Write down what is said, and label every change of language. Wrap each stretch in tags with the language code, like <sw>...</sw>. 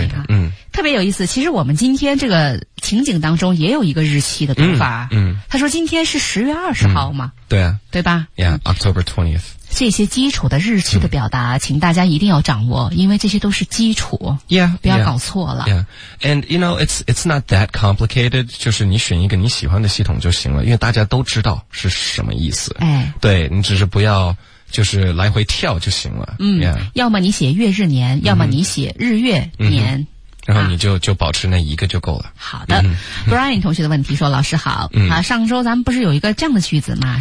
<zh>对的。嗯，特别有意思。其实我们今天这个情景当中也有一个日期的读法。嗯，他说今天是10月20号嘛？对啊，对吧</zh> <en>？Yeah, October 20th。</en> <zh>这些基础的日期的表达，请大家一定要掌握，因为这些都是基础。</zh> <en>Yeah,</en> <zh>不要搞错了。</zh> <en>Yeah, and you know it's not that complicated.</en> <zh>就是你选一个你喜欢的系统就行了，因为大家都知道是什么意思。哎，对，你只是不要。就是来回跳就行了。</zh> <en>嗯， yeah.</en> <zh>要么你写月日年，要么你写日月年。嗯、然后你就保持那一个就够了。好的、，Brian 同学的问题说：“老师好、啊，上周咱们不是有一个这样的句子吗？</zh>